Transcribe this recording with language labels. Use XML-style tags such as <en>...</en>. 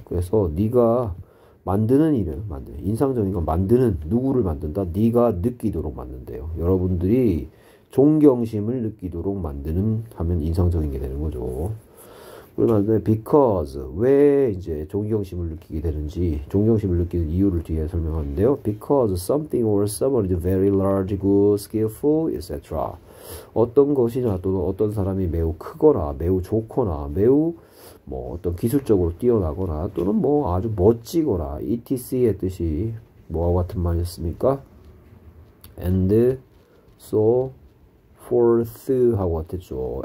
<ko>그래서 네가 만드는 일을 만드는 인상적인 건 만드는 누구를 만든다. 네가 느끼도록 만든대요. 여러분들이 존경심을 느끼도록 만드는 하면 인상적인 게 되는 거죠. 그러면 because 왜 이제 존경심을 느끼게 되는지 존경심을 느끼는 이유를 뒤에 설명하는데요.</ko> <en>Because something or someone is very large, good, skillful, etc.</en> <ko>어떤 것이나 또는 어떤 사람이 매우 크거나 매우 좋거나 매우 뭐 어떤 기술적으로 뛰어나거나 또는 뭐 아주 멋지거나 etc의 뜻이 뭐와 같은 말이었습니까? And so forth 하고 같았죠.</ko>